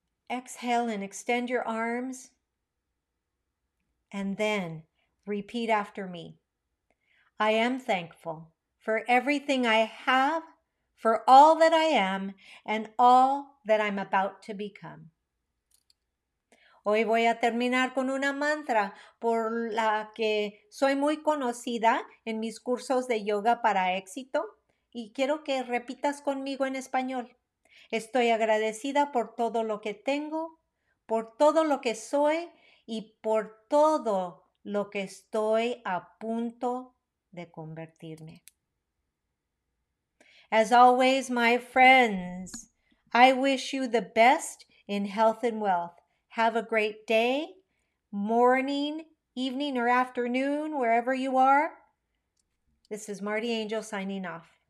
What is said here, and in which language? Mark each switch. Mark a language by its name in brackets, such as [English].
[English] Exhale and extend your arms. And then repeat after me. I am thankful for everything I have, for all that I am, and all that I'm about to become. [Spanish] Hoy voy a terminar con una mantra por la que soy muy conocida en mis cursos de yoga para éxito y quiero que repitas conmigo en español. Estoy agradecida por todo lo que tengo, por todo lo que soy y por todo lo que estoy a punto de convertirme. [English] As always, my friends, I wish you the best in health and wealth. Have a great day, morning, evening, or afternoon, wherever you are. This is Marty Angel signing off.